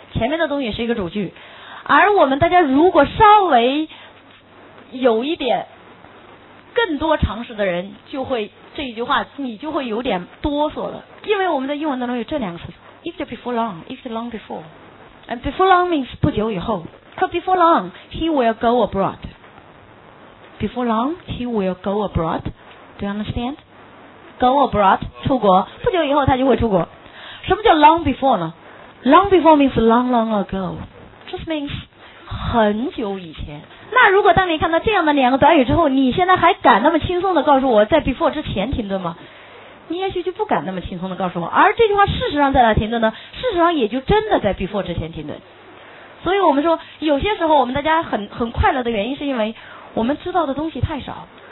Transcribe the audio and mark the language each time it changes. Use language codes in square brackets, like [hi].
[zh] 前面的东西是一个主句。而我们大家如果稍微有一点更多常识的人，就会这一句话你就会有点哆嗦了，因为我们的英文当中有这两个词 [en] if before long， if long before， and before long means [zh] 不久以后。 [en] So before long he will go abroad， before long he will go abroad， do you understand？ go abroad [zh] 出国，不久以后他就会出国。什么叫 long before 呢？ [en] long before means long long ago， just means [zh] 很久以前。那如果当你看到这样的两个短语之后，你现在还敢那么轻松地告诉我在 before 之前停顿吗？你也许就不敢那么轻松地告诉我。而这句话事实上在哪停顿呢？事实上也就真的在 before 之前停顿。所以我们说有些时候我们大家很快乐的原因是因为我们知道的东西太少，